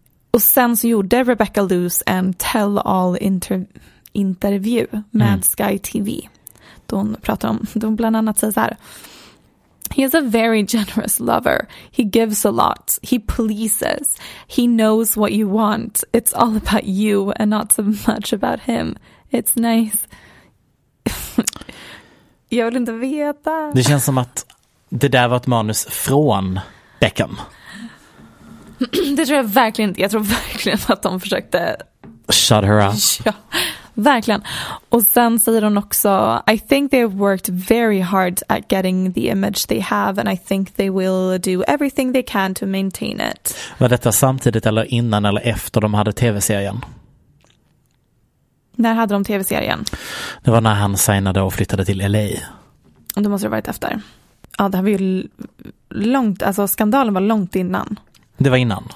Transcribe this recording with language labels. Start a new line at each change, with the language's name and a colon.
Swedish: Och sen så gjorde Rebecca Luce en tell-all intervju med Sky TV. Då hon pratade om, då hon bland annat säger så här:
English: "He is a very generous lover. He gives a lot. He pleases. He knows what you want. It's all about you and not so much about him. It's nice."
Swedish: Jag vill inte veta. Det känns som att det där var ett manus från Beckham. Det tror jag verkligen inte. Jag tror verkligen att de försökte
English: shut her up.
Swedish: Ja, verkligen. Och sen säger hon också:
English: "I think they've worked very hard at getting the image they have and I think they will do everything they can to maintain it."
Swedish: Var detta samtidigt eller innan eller efter de hade tv-serien? När hade de tv-serien? Det var när han signade och flyttade till LA. Och då måste det varit efter. Ja, det här var ju långt, alltså skandalen var långt innan. Det var innan?